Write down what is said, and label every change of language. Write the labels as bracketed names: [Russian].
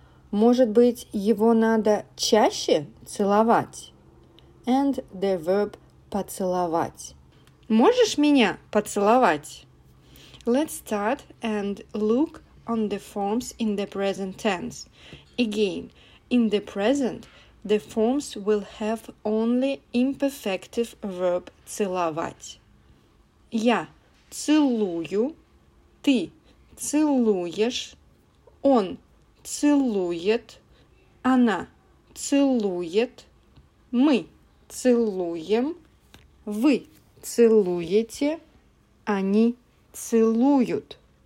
[Russian] Может быть, его надо чаще целовать? [English] And the verb поцеловать. [Russian] Можешь меня поцеловать? [English] Let's start and look on the forms in the present tense. Again, in the present, the forms will have only imperfective verb целовать. [Russian] Я целую, ты целуешь, он целует, она целует, мы целуем, вы целуете, они целуют.